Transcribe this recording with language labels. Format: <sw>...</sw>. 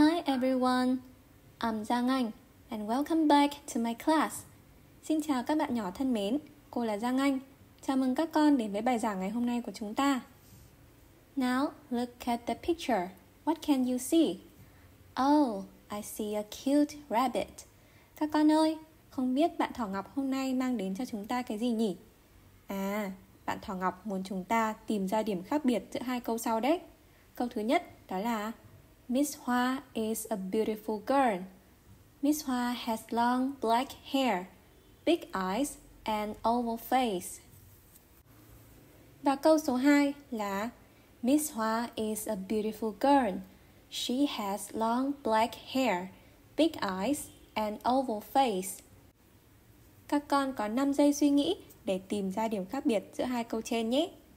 <en>everyone, I'm Giang Anh and welcome back to my class.</en> <vi>Xin chào các bạn nhỏ thân mến, cô là Giang Anh. Chào mừng các con đến với bài giảng ngày hôm nay của chúng ta.</vi> <en>Now, look at the picture. What can you see? Oh, I see a cute rabbit.</en> <vi>Các con ơi, không biết bạn Thỏ Ngọc hôm nay mang đến cho chúng ta cái gì nhỉ? À, bạn Thỏ Ngọc muốn chúng ta tìm ra điểm khác biệt giữa hai câu sau đấy. Câu thứ nhất đó là</vi> <en>Miss Hoa is a beautiful girl. Miss Hoa has long black hair, big eyes and oval face.</en> <vi>Và câu số 2 là</vi> <en>Miss Hoa is a beautiful girl. She has long black hair, big eyes and oval face.</en> <vi>Các con có 5 giây suy nghĩ để tìm ra điểm khác biệt giữa hai câu trên nhé.</vi>